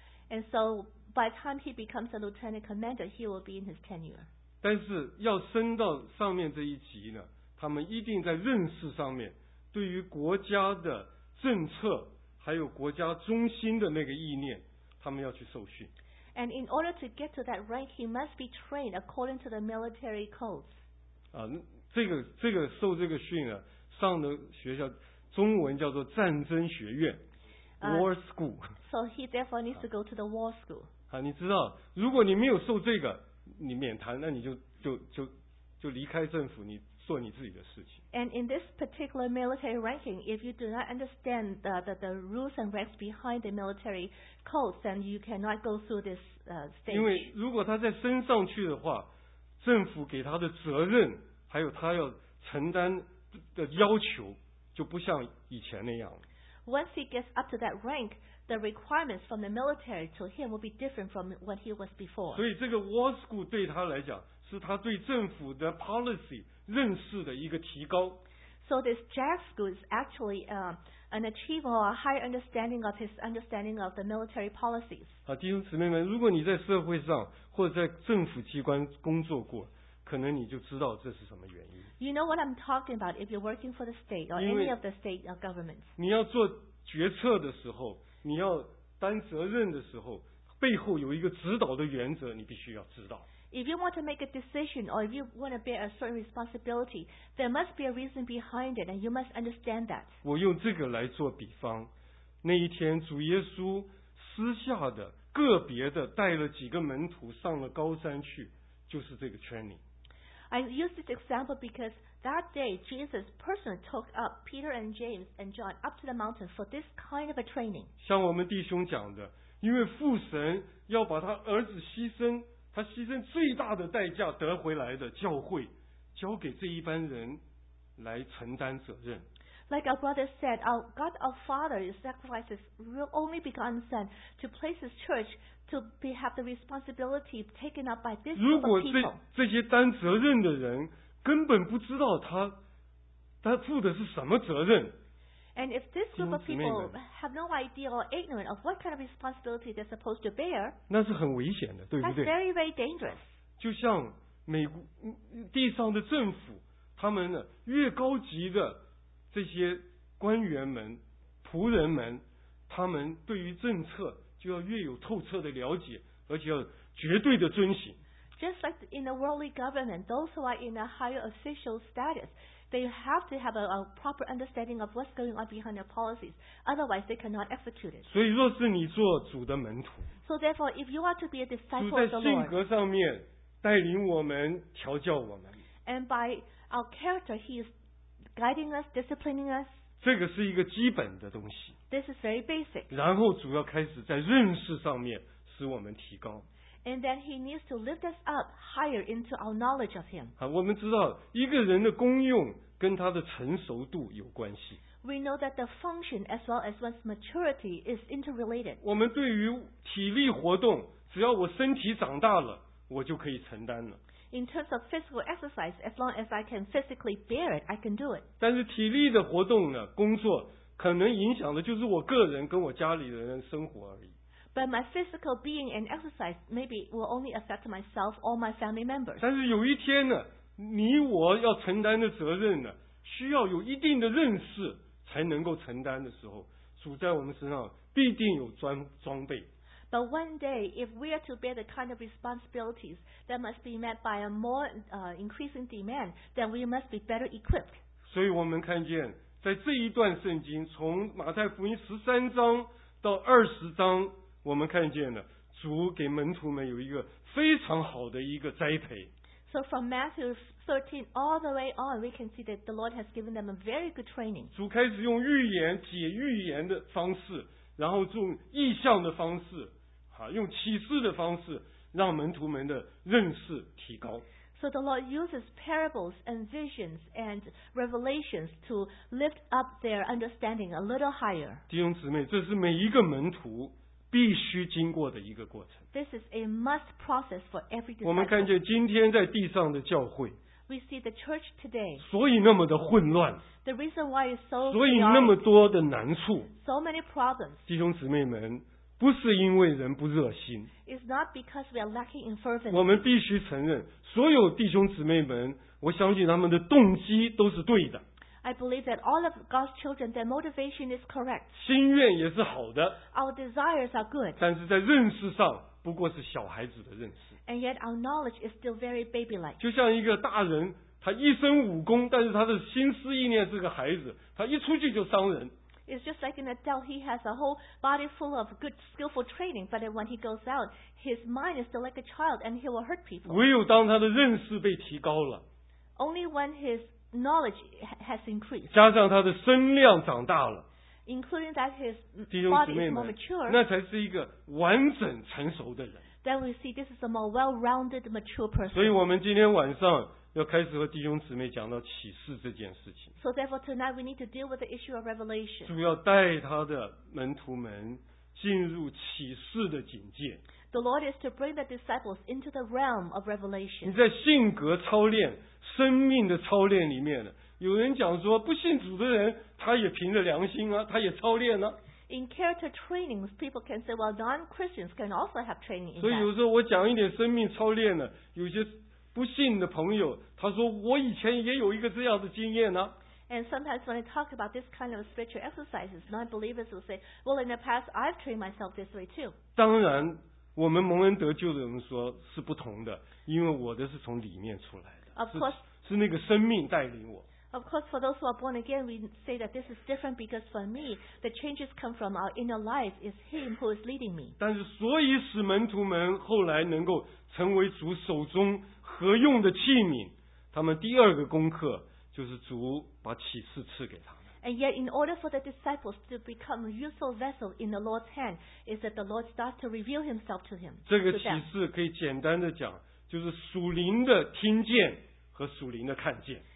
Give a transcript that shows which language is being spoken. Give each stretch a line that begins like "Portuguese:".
English: And so by the time he becomes a lieutenant commander, he will be in his tenure.
Chinese: 但是要升到上面这一级呢，他们一定在认识上面对于国家的政策还有国家中心的那个意念，他们要去受训。
English: And in order to get to that rank, he must be trained according to the military codes.
Chinese: 这个受这个训呢，上的学校中文叫做战争学院 war school.
English: So he therefore needs to go to the war school.
Chinese: 你知道，如果你没有受这个，你免谈，那你就离开政府，你做你自己的事情。
English: And in this particular military ranking, if you do not understand the rules and ranks behind the military codes, then you cannot go through this stage.
Chinese: 因为如果他再升上去的话，政府给他的责任还有他要承担的要求就不像以前那样了。
English: Once he gets up to that rank, the requirements from the military to him will be different from what he was before.
Chinese: 所以这个 war school 对他来讲是他对政府的 policy认识的一个提高。
English: So this JAG school is actually an achievement or a high understanding of his understanding of the military policies.
Chinese: 弟兄姊妹们，如果你在社会上或者在政府机关工作过，可能你就知道这是什么原因。
English: You know what I'm talking about if you're working for the state or any of the state governments.
Chinese: 你要做决策的时候，你要担责任的时候，背后有一个指导的原则，你必须要知道。
English: If you want to make a decision or if you want to bear a certain responsibility, there must be a reason behind it and you must understand that.
Chinese: 我用这个来做比方，那一天主耶稣私下的个别的带了几个门徒上了高山去，就是这个 training.
English: I use this example because that day Jesus personally took up Peter and James and John up to the mountain for this kind of a training.
Chinese: 像我们弟兄讲的，因为父神要把他儿子牺牲，他牺牲最大的代价得回来的教会交给这一班人来承担责任。
English: Like our brother said, our God our Father sacrifices his only begotten Son to place his church to have the responsibility taken up by this group of people.
Chinese: 如果这些担责任的人根本不知道他负的是什么责任，
English: And if this group of people have no idea or ignorant of what kind of responsibility they're supposed to bear,
Chinese: 那是很危险的，对不对？
English: That's very, very dangerous.
Chinese: 就像美国地上的政府，他们呢越高级的这些官员们、仆人们，他们对于政策就要越有透彻的了解，而且要绝对的遵行。
English: Just like in a worldly government, those who are in a higher official status, they have to have a proper understanding of what's going on behind their policies. Otherwise, they cannot execute it.
Chinese: 所以若是你做主的门徒，
English: So therefore, if you are to be a disciple of the Lord,
Chinese: 主在性格上面带领我们、调教我们。
English: And by our character, he is guiding us, disciplining us.
Chinese: 这个是一个基本的东西。
English: This is very basic.
Chinese: 然后主要开始在认识上面使我们提高。
English: And then he needs to lift us up higher into our knowledge of him.
Chinese: 我们知道一个人的功用跟他的成熟度有关系。
English: We know that the function as well as one's maturity is interrelated.
Chinese: 我们对于体力活动，只要我身体长大了，我就可以承担了。
English: In terms of physical exercise, as long as I can physically bear it, I can do it.
Chinese: 但是体力的活动呢，工作可能影响的就是我个人跟我家里的人生活而已。
English: But my physical being and exercise maybe will only affect myself or my family members.
Chinese: 但是有一天呢，你我要承担的责任呢，需要有一定的认识才能够承担的时候，主在我们身上必定有装备。
English: But one day, if we are to bear the kind of responsibilities that must be met by a more increasing demand, then we must be better equipped.
Chinese: 所以我们看见在这一段圣经，从马太福音十三章到二十章。我们看见了主给门徒们有一个非常好的一个栽培。
English: So from Matthew 13 all the way on, we can see that the Lord has given them a very good training.
Chinese: 主开始用预言解预言的方式，然后用意象的方式，用启示的方式，让门徒们的认识提高。
English: So the Lord uses parables and visions and revelations to lift up their understanding a little higher.
Chinese: 弟兄姊妹，这是每一个门徒必须经过的一个过程。
English: This is a must process for every disciple.
Chinese: 我们看见今天在地上的教会。
English: We see the church today.
Chinese: 所以那么的混乱。
English: The reason why it's so.
Chinese: 所以那么多的难处。
English: So many problems.
Chinese: 弟兄姊妹们，不是因为人不热心。
English: It's not because we are lacking in fervency.
Chinese: 我们必须承认，所有弟兄姊妹们，我相信他们的动机都是对的。
English: I believe that all of God's children, their motivation is correct.
Chinese: 心愿也是好的。
English: Our desires are good.
Chinese: 但是在认识上。不过是小孩子的认识。
English: And yet our knowledge is still very baby-like.
Chinese: 就像一个大人，他一身武功，但是他的心思意念是个孩子，他一出去就伤人。
English: It's just like an adult, he has a whole body full of good skillful training, but when he goes out, his mind is still like a child and he will hurt people.
Chinese: 唯有当他的认识被提高了。
English: Only when his knowledge has increased.
Chinese: 加上他的身量长大了。
English: Including that his body is more mature,
Chinese: 那才是一个完整成熟的人。
English: Then we see this is a more well-rounded, mature person.
Chinese: 所以我们今天晚上要开始和弟兄姊妹讲到启示这件事情。
English: So therefore tonight we need to deal with the issue of revelation.
Chinese: 主要带他的门徒们进入启示的境界。
English: The Lord is to bring the disciples into the realm of revelation.
Chinese: 你在性格操练、生命的操练里面呢？有人讲说，不信主的人，他也凭着良心啊，他也操练呢、啊。
English: In character trainings, people can say, well, non-Christians can also have training.
Chinese: 所以有时候我讲一点生命操练呢，有些不信的朋友，他说我以前也有一个这样的经验呢、啊。
English: And sometimes when I talk about this kind of spiritual exercises, non-believers will say, well, in the past, I've trained myself this way too.
Chinese: 当然，我们蒙恩得救的人说是不同的，因为我的是从里面出来的。
English: Of course,
Chinese: 是那个生命带领我。
English: Of course, for those who are born again, we say that this is different because for me, the changes come from our inner life. It's Him who is leading me.
Chinese: 但是，所以使门徒们后来能够成为主手中合用的器皿，他们第二个功课就是主把启示赐给他们。
English: And yet, in order for the disciples to become a useful vessel in the Lord's hand, is that the Lord starts to reveal Himself to him.
Chinese: 这个启示可以简单的讲，就是属灵的听见和属灵的看见。